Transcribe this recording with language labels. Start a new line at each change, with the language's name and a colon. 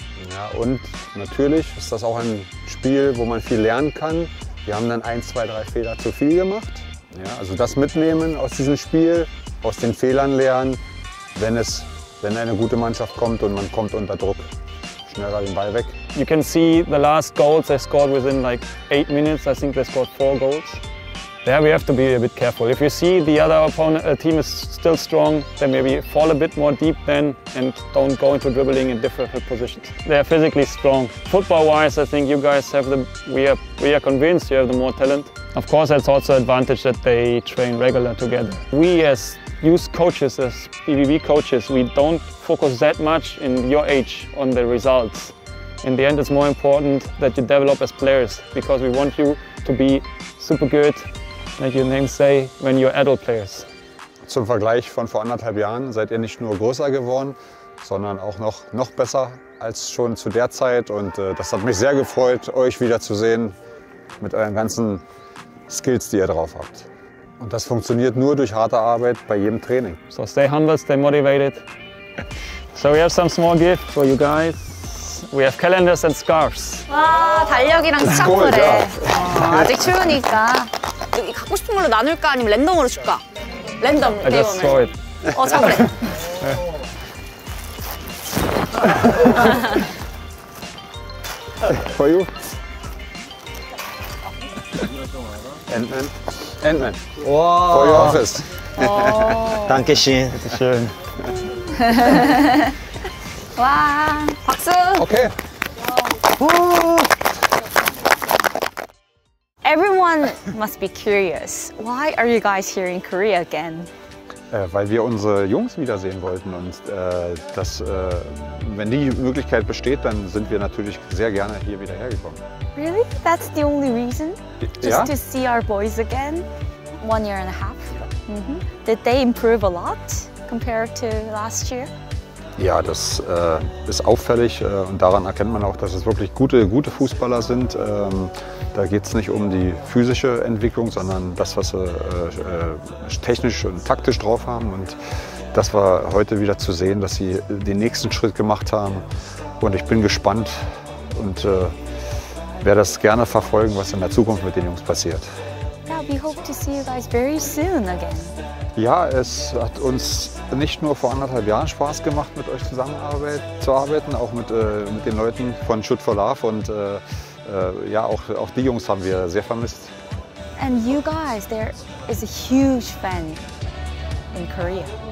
German: Ja, und natürlich ist das auch ein Spiel, wo man viel lernen kann. Wir haben dann ein, zwei, drei Fehler zu viel gemacht. Ja, also das mitnehmen aus diesem Spiel, aus den Fehlern lernen, wenn eine gute Mannschaft kommt und man kommt unter Druck. Schneller den Ball weg.
English: You can see the last goals they scored within like 8 minutes. I think they scored 4 goals. There we have to be a bit careful. If you see the other opponent, a team is still strong, then maybe fall a bit more deep then and don't go into dribbling in difficult positions. They are physically strong. Football-wise, I think you guys have the... We are convinced you have the more talent. Of course, that's also an advantage that they train regular together. We as youth coaches, as BBB coaches, we don't focus that much in your age on the results. In the end, it's more important that you develop as players because we want you to be super good, like your name say, when you're adult players. Zum Vergleich von vor anderthalb Jahren seid ihr nicht nur größer geworden, sondern auch noch besser als schon zu der Zeit. Und das hat mich sehr gefreut, euch wiederzusehen mit euren ganzen Skills, die ihr drauf habt. Und das funktioniert nur durch harte Arbeit bei jedem Training. So stay humble, stay motivated. So we have some small gift for you guys. We have calendars and scarves.
Korean: 와, 달력이랑 수상물에. 아직 출근이니까. 여기 갖고 싶은 걸로 나눌까? 아니면 랜덤으로 줄까? 랜덤.
English: I just saw it.
Korean: 어, 잡으래.
English: 네. For you. Ant-Man. Ant-Man. Wow. For your office. 단케 씬. 씬.
Korean: 와, 박수. 오케이.
English: Okay. Everyone must be curious. Why are you guys here in Korea again?
German: Weil wir unsere Jungs wiedersehen wollten und das, wenn die Möglichkeit besteht, dann sind wir natürlich sehr gerne hier wieder hergekommen.
English: Really? That's the only reason? Just to see our boys again? 1.5 years. Mm-hmm. Did they improve a lot compared to last year?
German: Ja, das ist auffällig und daran erkennt man auch, dass es wirklich gute Fußballer sind. Da geht es nicht um die physische Entwicklung, sondern das, was sie technisch und taktisch drauf haben. Und das war heute wieder zu sehen, dass sie den nächsten Schritt gemacht haben. Und ich bin gespannt und werde das gerne verfolgen, was in der Zukunft mit den Jungs passiert. Ja,
English: we hope to see you guys very soon again.
German: Ja, es hat uns nicht nur vor anderthalb Jahren Spaß gemacht, mit euch zusammenzuarbeiten, auch mit den Leuten von Shoot for Love und ja, auch die Jungs haben wir sehr vermisst.
English: And you guys, there is a huge fan in Korea.